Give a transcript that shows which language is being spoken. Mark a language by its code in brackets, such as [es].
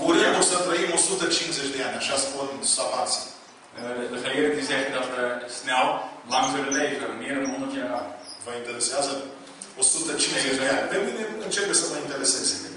[ro] Curând o să trăim 150 de ani, așa spun savanții. [nl] De geleerden die zeggen dat we snel lang zullen leven, meer dan 100 jaar. [ro] Vă interesează? 150 de ani. Pe mine începe să mă intereseze.